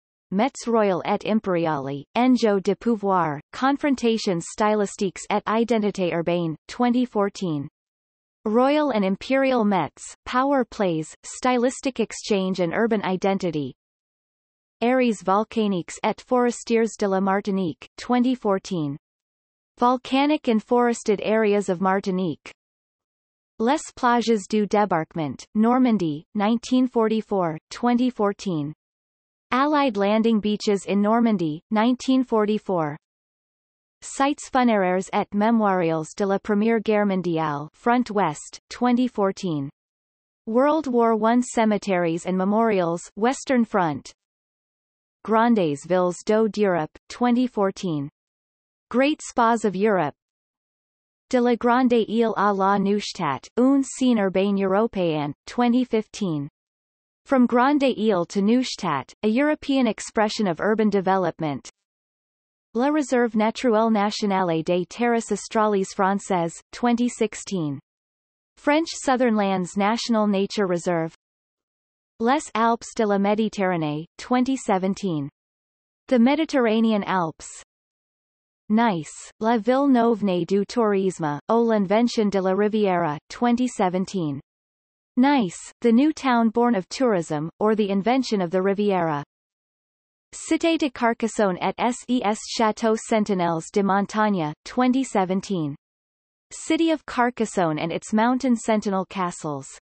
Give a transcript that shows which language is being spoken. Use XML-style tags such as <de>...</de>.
<fr>Metz Royal et Imperiale, Enjeu de Pouvoir, Confrontations Stylistiques et Identité Urbaine, 2014.</fr> <en>Royal and Imperial Metz, Power Plays, Stylistic Exchange and Urban Identity.</en> <fr>Aires Volcaniques et Forestiers de la Martinique, 2014.</fr> <en>Volcanic and Forested Areas of Martinique.</en> <fr>Les Plages du Débarquement,</fr> <en>Normandy, 1944, 2014. Allied Landing Beaches in Normandy, 1944.</en> <fr>Sites funéraires et mémorials de la Première Guerre mondiale, Front West, 2014.</fr> <en>World War I Cemeteries and Memorials, Western Front.</en> <fr>Grandes Villes d'Eau d'Europe, 2014.</fr> <en>Great Spas of Europe.</en> <fr>De la Grande Île à la Neustadt, Une Scène Urbaine Européenne, 2015.</fr> <en>From Grande Île to Neustadt, a European expression of urban development.</en> <fr>La Réserve Naturelle Nationale des Terres Australes Françaises, 2016.</fr> <en>French Southern Lands National Nature Reserve.</en> <fr>Les Alpes de la Méditerranée,</fr> <en>2017. The Mediterranean Alps.</en> <fr>Nice, La Ville Nouvelle du Tourisme, ou l'Invention de la Riviera, 2017.</fr> <en>Nice, the new town born of tourism, or the invention of the Riviera.</en> <fr>Cité de Carcassonne et ses Château Sentinelles de Montagne, 2017.</fr> <en>City of Carcassonne and its mountain sentinel castles.</en>